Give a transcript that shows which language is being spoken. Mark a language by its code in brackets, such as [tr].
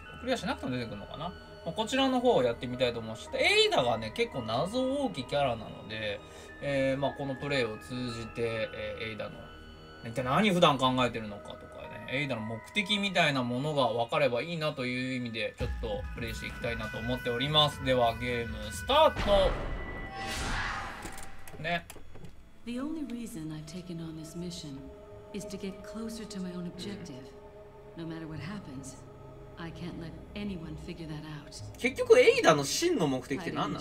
[ja] クリアしなくても出てくるのかな、まあ、こちらの方をやってみたいと思いました。エイダがね、結構謎大きいキャラなので、まあ、このプレイを通じて、エイダの、一体何普段考えてるのかとか、エイダの目的みたいなものが分かればいいなという意味でちょっとプレイしていきたいなと思っております。ではゲームスタートね。 [en] The only reason I've taken on this mission is to get closer to my own objective. No matter what happens, I can't let anyone figure that out. [ja] 結局エイダの真の目的って何なの？